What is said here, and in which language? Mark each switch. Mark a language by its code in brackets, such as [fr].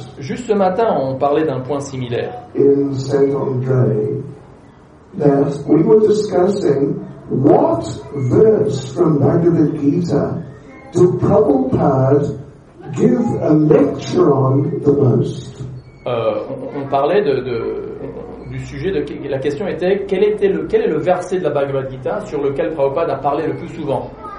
[fr] Juste ce matin, on parlait d'un point similaire. [en] In Saint André, that we were discussing what verse from Bhagavad Gita do Prabhupada give a lecture on the most. [fr] On parlait du sujet de la question était quel est le verset de la Bhagavad Gita sur lequel Prabhupada a parlé le plus souvent.